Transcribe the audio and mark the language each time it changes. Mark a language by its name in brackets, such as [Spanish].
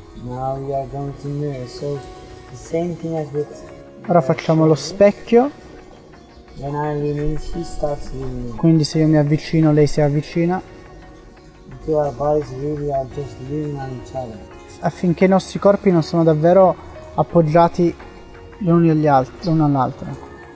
[English] are going to mirror. So the same thing as with. [Italian] Ora facciamo lo specchio. [English] When I lean in, she starts leaning. [Italian] Quindi se io mi avvicino, lei si avvicina. [English] Until our bodies really are just leaning on each other. [Italian] Affinché i nostri corpi non sono davvero appoggiati l'uno agli altri, l'uno all'altro.